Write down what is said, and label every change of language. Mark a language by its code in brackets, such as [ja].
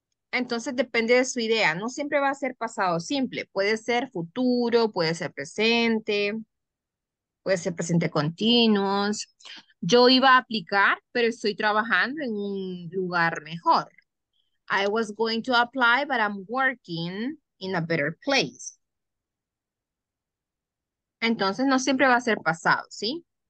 [es] Entonces, depende de su idea. No siempre va a ser pasado simple. Puede ser futuro, puede ser presente, puede ser presente continuo. Yo iba a aplicar, pero estoy trabajando en un lugar mejor. [en] I was going to apply, but I'm working in a better place. [es] Entonces, no siempre va a ser pasado, ¿sí?